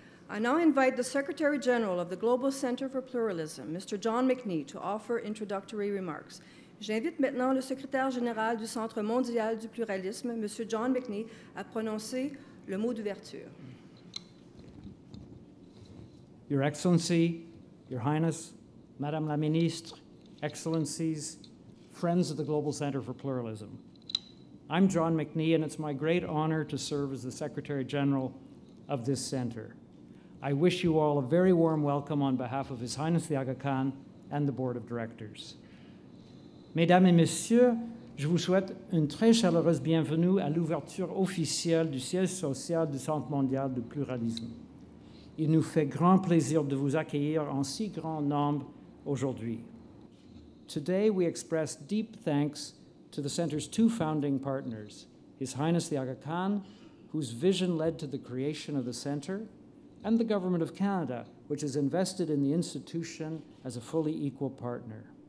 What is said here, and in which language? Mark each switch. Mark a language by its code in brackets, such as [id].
[en] I now invite the Secretary General of the Global Center for Pluralism, Mr. John McNee, to offer introductory remarks. [fr] J'invite maintenant le Secrétaire Général du Centre Mondial du Pluralisme, Mr. John McNee, à prononcer le mot d'ouverture. [en] Your Excellency, Your Highness, [fr] Madame la Ministre, [en] Excellencies, friends of the Global Center for Pluralism. I'm John McNee, and it's my great honor to serve as the Secretary General of this center. I wish you all a very warm welcome on behalf of His Highness the Aga Khan and the Board of Directors. [fr] Mesdames et Messieurs, je vous souhaite une très chaleureuse bienvenue à l'ouverture officielle du siège social du Centre Mondial du Pluralisme. Il nous fait grand plaisir de vous accueillir en si grand nombre aujourd'hui. [en] Today, we express deep thanks to the center's two founding partners, His Highness the Aga Khan, whose vision led to the creation of the center, and the Government of Canada, which has invested in the institution as a fully equal partner.